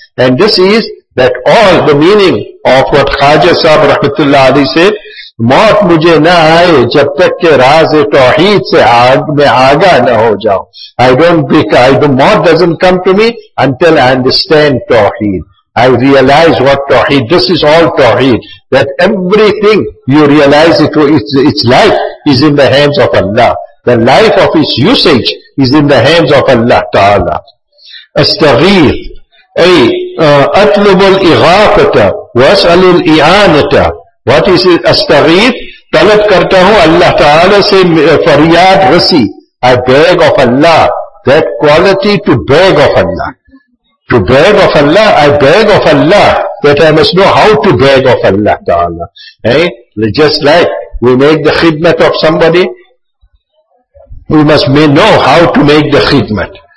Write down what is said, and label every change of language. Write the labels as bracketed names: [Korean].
[English] And this is that all the meaning of what Khwaja sahab rahmatullah alayhi said, [Urdu] موت مجھے نہ آئے جب تک کہ راز توحید سے آگ میں آگاہ نہ ہو جاؤں. [English] موت doesn't come to me until I understand توحید, I realize what توحید, this is all توحید, that everything you realize it, its life is in the hands of Allah, the life of its usage is in the hands of Allah Ta'ala. [Arabic] استغیث اے اطلب الاغاثة واسأل الاعانة. [English] What is it? [Urdu] Astaghith, طلب کرتا ہوں اللہ تعالی سے فریاد رسی. [English] I beg of Allah, that quality to beg of Allah. To beg of Allah, I beg of Allah, that I must know how to beg of Allah تعالی. Hey, just like we make the khidmat of somebody, we must may know how to make the khidmat.